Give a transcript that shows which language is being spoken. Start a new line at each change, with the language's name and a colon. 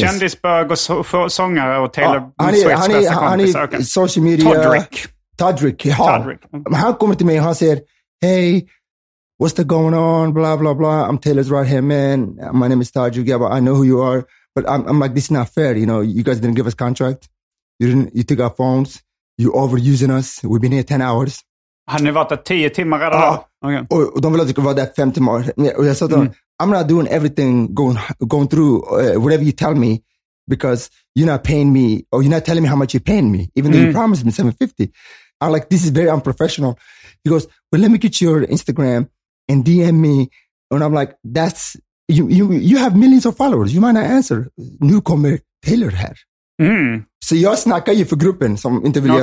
Swedish: Kändis, bög och sångare och Taylor Swift's bästa kompis. Han är social media. Tadric. Han kommer till mig och han säger,
English: hey, what's the going on? Blah, blah, blah. I'm Taylor's right hand man. My name is Tadric. Yeah, but I know who you are. But I'm like, this is not fair. You know, you guys didn't give us contract. You took our phones. You're overusing us. We've been here 10 hours.
Swedish: Han har varit där 10 timmar redan. Och de vill att du ska vara där 5 timmar. Och jag sa till honom,
English: I'm not doing everything going through whatever you tell me because you're not paying me or you're not telling me how much you're paying me even though you promised me $750. I'm like, this is very unprofessional. He goes, well, let me get your Instagram and DM me. And I'm like, that's, you have millions of followers. You might not answer.
Swedish: Nu kommer Taylor här. Så jag snackar ju för gruppen som inte vill göra.